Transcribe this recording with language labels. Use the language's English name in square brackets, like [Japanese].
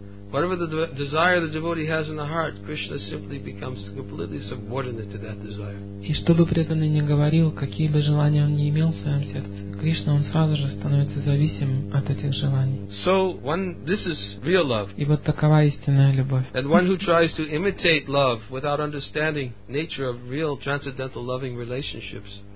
[English] Whatever the desire the devotee has in the heart, Krishna simply becomes completely subordinate to that desire. [Russian] И что бы преданный ни говорил, какие бы желания он ни имел в своем сердце, Кришна, он сразу же становится зависим от этих желаний. [English] So one, this is real love. [Russian] И вот такова истинная любовь. [English] And one who tries to imitate love without understanding nature of real transcendental loving relationships.